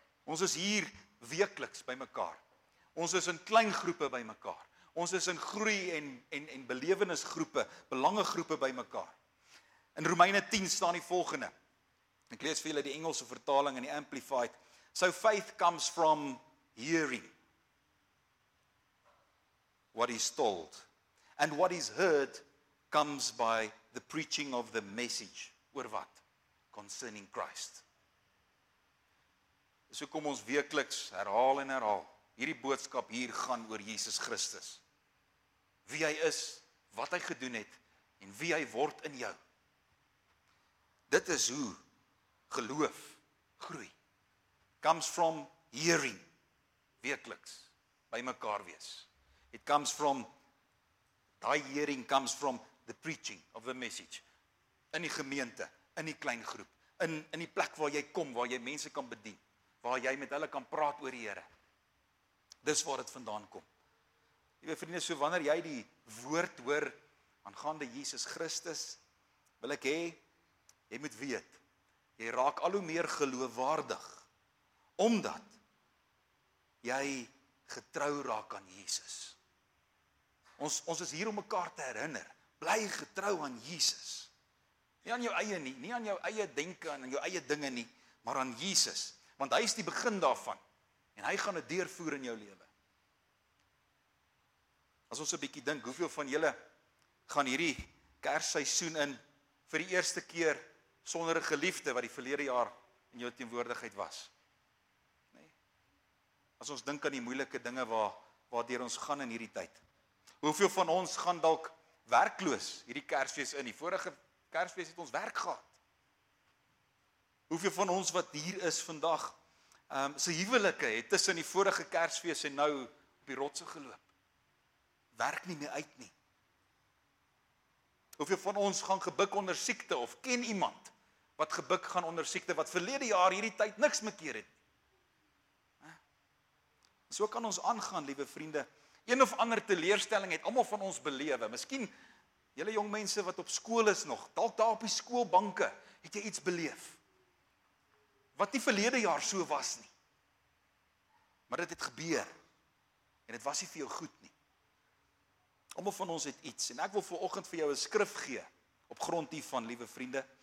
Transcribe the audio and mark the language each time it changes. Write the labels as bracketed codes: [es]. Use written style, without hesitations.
[af] Ons is hier weekliks by mekaar. Ons is in klein groepe by mekaar. Ons is in groei en belewenisgroepe, belangegroepe by mekaar. In Romeine 10 staan die volgende. Ek lees vir julle die Engelse vertaling in die Amplified. [en] So faith comes from hearing what is told, and what is heard comes by the preaching of the message. [af] Oor wat? [en] Concerning Christ. [af] So kom ons weekliks herhaal en herhaal. Hierdie boodskap hier gaan oor Jesus Christus. Wie hy is, wat hy gedoen het, en wie hy word in jou. Dit is hoe geloof groei. [en] Comes from hearing. [af] Weekliks, by mekaar wees. [en] It comes from, die hearing comes from the preaching of the message. [af] In die gemeente, in die klein groep, in die plek waar jy kom, waar jy mense kan bedien, waar jy met hulle kan praat oor die Here. Dis waar dit vandaan kom. Liewe vriende, so wanneer jy die woord hoor, aangaande Jesus Christus, wil ek hê, jy moet weet, jy raak al hoe meer geloofwaardig, omdat jy getrou raak aan Jesus. Ons is hier om mekaar te herinner. Bly getrou aan Jesus. Nie aan jou eie nie, nie aan jou eie denke en aan jou eie dinge nie, maar aan Jesus. Want hy is die begin daarvan. En hy gaan dit deurvoer in jou lewe. As ons 'n bietjie dink, hoeveel van julle gaan hierdie kersseisoen in vir die eerste keer sonder 'n geliefde wat die verlede jaar in jou teenwoordigheid was? As ons dink aan die moeilike dinge waardeur ons gaan in hierdie tyd. Hoeveel van ons gaan dalk werkloos hierdie Kersfees in? Die vorige Kersfees het ons werk gehad. hoeveel van ons wat hier is vandag, se huwelike het tussen die vorige Kersfees en nou op die rotse geloop. Werk nie meer uit nie. Hoeveel van ons gaan gebuk onder siekte of ken iemand wat gebuk gaan onder siekte wat verlede jaar hierdie tyd niks mekeer het. So kan ons aangaan, liewe vriende. Een of ander teleurstelling het almal van ons belewe. Miskien julle jong mense wat op skool is nog, dalk daar op die skoolbanke, het jy iets beleef wat nie verlede jaar so was nie. Maar dit het gebeur en dit was nie vir jou goed nie. Almal van ons het iets en ek wil vanoggend vir jou 'n skrif gee op grond hiervan, liewe vriende.